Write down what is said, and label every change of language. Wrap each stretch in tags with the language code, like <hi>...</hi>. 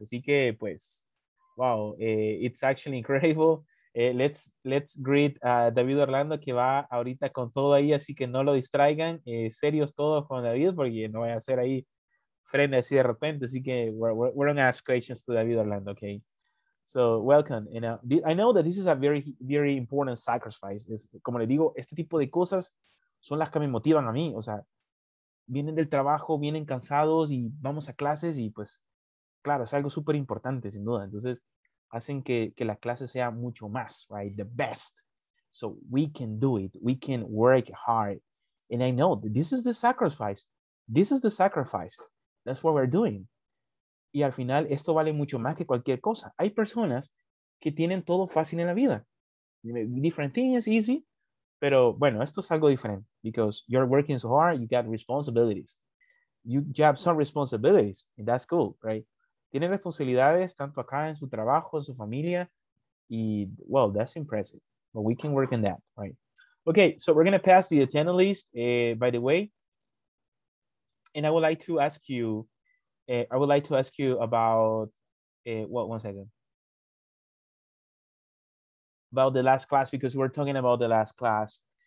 <en>Así que, pues, wow, it's actually incredible. Let's greet David Orlando, que va ahorita con todo ahí.</en> <es>Así que no lo distraigan. Serios todos con David, porque no vaya a ser ahí frente así de repente.</es> <en>Así que we're going to ask questions to David Orlando, okay? So, welcome. And I know that this is a very, very important sacrifice.</en> <es>Es, como le digo, este tipo de cosas son las que me motivan a mí. O sea, vienen del trabajo, vienen cansados y vamos a clases y pues, claro, es algo súper importante, sin duda. Entonces, hacen que la clase sea mucho más, right?</es> <en>The best. So, we can do it. We can work hard. And I know that this is the sacrifice. This is the sacrifice. That's what we're doing.</en> <es>Y al final, esto vale mucho más que cualquier cosa. Hay personas que tienen todo fácil en la vida. Different things, easy. Pero bueno, esto es algo diferente.</es> <en>Because you're working so hard, you got responsibilities. You have some responsibilities. And that's cool, right?</en> <es>Tienen responsabilidades tanto acá en su trabajo, en su familia.</es> <en>Y, well, that's impressive. But we can work on that, right? Okay, so we're going to pass the attendance list, by the way. And I would like to ask you, I would like to ask you about, one second, about the last class, because we're talking about the last class.</en>